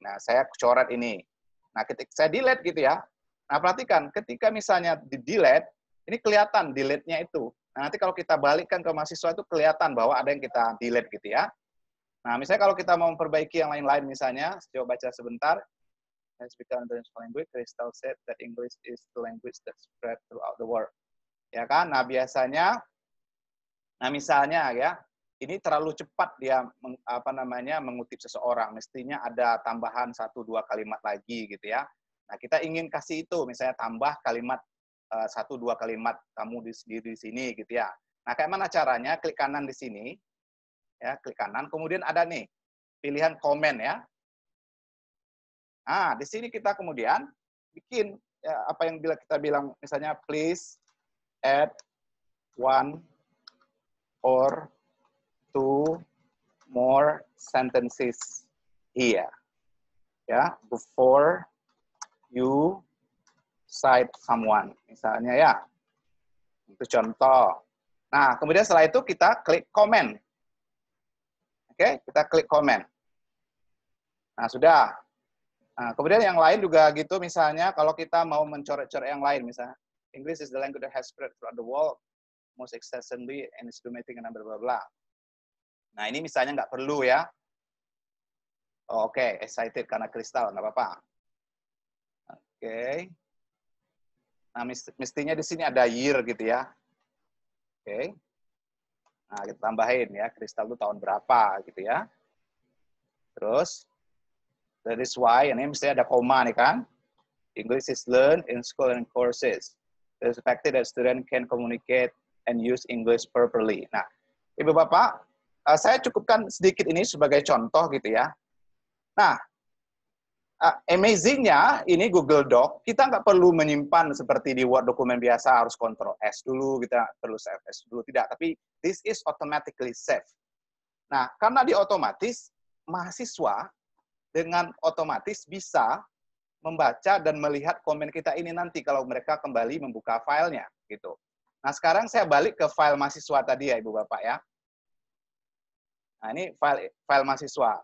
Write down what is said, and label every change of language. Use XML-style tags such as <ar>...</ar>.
<id>Nah, saya coret ini. Nah, ketika saya delete gitu ya. Nah, perhatikan ketika misalnya di delete, ini kelihatan delete-nya itu. Nah, nanti kalau kita balikkan ke mahasiswa itu kelihatan bahwa ada yang kita delete gitu ya. Nah, misalnya kalau kita mau memperbaiki yang lain-lain misalnya, coba baca sebentar.</id> <en>As we can learn language, Crystal said that English is the language that spread throughout the world.</en> <id>Ya kan? Nah, biasanya nah misalnya ya, ini terlalu cepat dia apa namanya mengutip seseorang, mestinya ada tambahan 1-2 kalimat lagi gitu ya. Nah, kita ingin kasih itu, misalnya tambah kalimat 1-2 kalimat kamu di sini gitu ya. Nah, kayak mana caranya? Klik kanan di sini. Ya, klik kanan, kemudian ada nih pilihan komen ya. Nah, di sini kita kemudian bikin ya, apa yang bila kita bilang misalnya</id> <en>please add one or two more sentences here. Ya, before you cite someone.</en> <id>Misalnya ya. Itu contoh. Nah, kemudian setelah itu kita klik komen. Oke, okay, kita klik komen. Nah, sudah. Nah, kemudian yang lain juga gitu, misalnya kalau kita mau mencoret-coret yang lain, misalnya,</id> <en>English is the language that has spread throughout the world most extensively and is dominating and blah, blah, blah.</en> <id>Nah, ini misalnya nggak perlu ya. Oh, oke, okay. Excited karena kristal, nggak apa-apa. Oke. Okay. Nah, mestinya di sini ada year gitu ya. Oke. Okay. Nah, kita tambahin ya, kristal itu tahun berapa, gitu ya. Terus,</id> <en>that is why,</en> <id>ini misalnya ada koma nih kan.</id> <en>English is learned in school and courses. It's expected that student can communicate and use English properly.</en> <id>Nah, Ibu Bapak, saya cukupkan sedikit ini sebagai contoh, gitu ya. Nah, amazing-nya, ini Google Doc, kita nggak perlu menyimpan seperti di Word dokumen biasa, harus Ctrl S dulu, kita perlu save S dulu, tidak.</id> <en>Tapi, this is automatically saved.</en> <id>Nah, karena di otomatis, mahasiswa dengan otomatis bisa membaca dan melihat komen kita ini nanti kalau mereka kembali membuka filenya, gitu. Nah, sekarang saya balik ke file mahasiswa tadi ya, Ibu Bapak ya. Nah, ini file mahasiswa.</id>